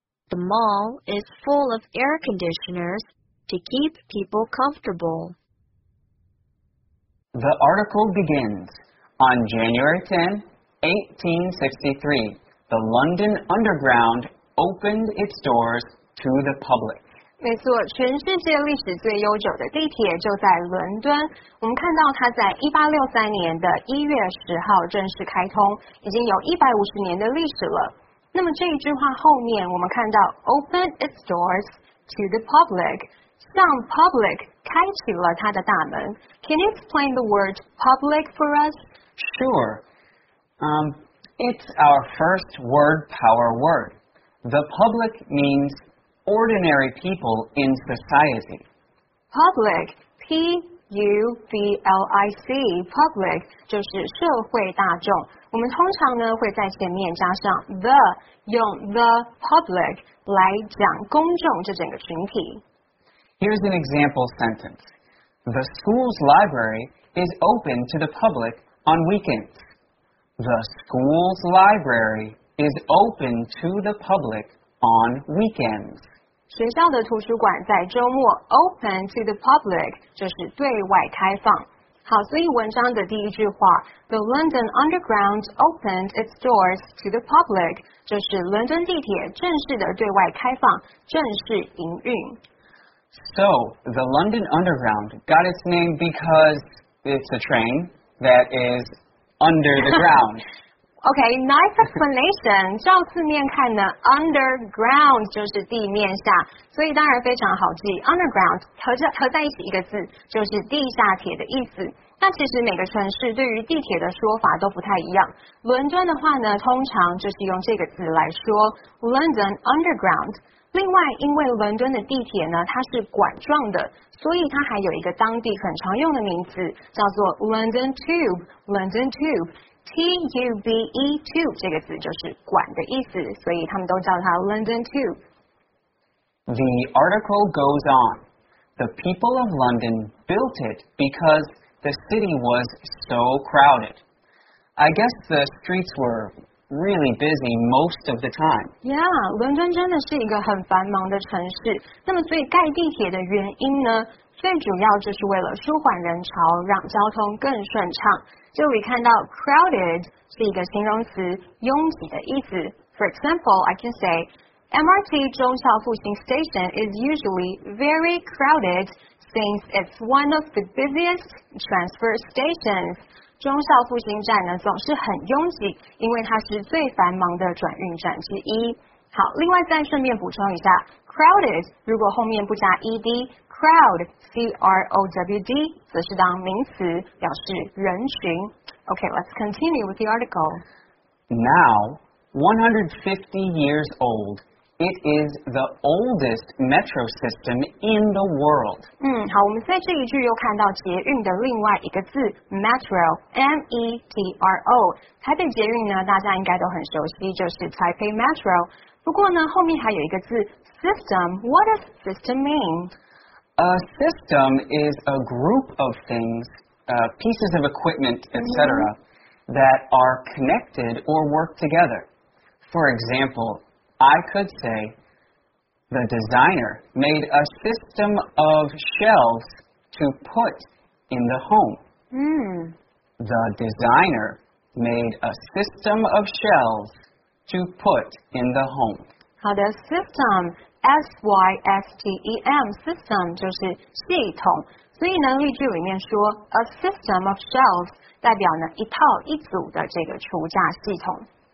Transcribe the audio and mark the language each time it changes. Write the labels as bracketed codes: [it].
[en] The mall is full of air conditioners. To keep people comfortable. The article begins. On January 10, 1863, the London Underground opened its doors to the public. [zh] 没错，全世界历史最悠久的地铁就在伦敦。我们看到它在1863年的1月10号正式开通，已经有150年的历史了。那么这一句话后面我们看到 [en] opened its doors to the public. [zh] 向 public 开启了它的大门。 [en] Can you explain the word public for us? Sure. It's our first word power word. The public means ordinary people in society. [zh] Public, P-U-B-L-I-C, public, 就是社会大众。我们通常呢会在前面加上 the, 用 the public 来讲公众这整个群体。 [en] Here's an example sentence. The school's library is open to the public on weekends. The school's library is open to the public on weekends. [zh] 学校的图书馆在周末 [en] open to the public, [zh] 就是对外开放。好，所以文章的第一句话 [en] The London Underground opened its doors to the public [zh] 就是伦敦地铁正式的对外开放，正式营运。 [en] So, the London Underground got its name because it's a train that is under the ground. OK, nice explanation. [zh] 照字面看呢 ,underground 就是地面下。所以当然非常好记 ,underground, 合在一起一个字就是地下铁的意思。那其实每个城市对于地铁的说法都不太一样。伦敦的话呢通常就是用这个字来说 ,London Underground。另外因为伦敦的地铁呢它是管状的所以它还有一个当地很常用的名字叫做 London Tube, London Tube。 T-U-B-E, tube 这个字就是管的意思所以他们都叫它 London Tube [en] The article goes on The people of London built it because the city was so crowded I guess the streets were really busy most of the time [zh] Yeah, 伦敦真的是一个很繁忙的城市那么所以盖地铁的原因呢最主要就是为了舒缓人潮让交通更顺畅这里看到 crowded 是一个形容词拥挤的意思 [en] For example, I can say [zh] MRT 中校复兴 [en] station is usually very crowded since it's one of the busiest transfer stations [zh] 中校复兴站呢总是很拥挤因为它是最繁忙的转运站之一好另外再顺便补充一下 crowded 如果后面不加 ed crowd C-R-O-W-D 则是当名词表示人群 [en] OK, let's continue with the article Now, 150 years old It is the oldest metro system in the world [zh] 好我们在这一句又看到捷运的另外一个字 Metro M-E-T-R-O 台北捷运呢大家应该都很熟悉就是台北 Metro 不过呢后面还有一个字 System [en] What does system mean? A system is a group of things, pieces of equipment, etc., that are connected or work together. For example, I could say, the designer made a system of shelves to put in the home. The designer made a system of shelves to put in the home. How does system... [zh] S-Y-S-T-E-M, system, 就是系统。所以呢，例句里面说 , [en] a system of shelves, [zh] 代表呢一套一组的这个储架系统。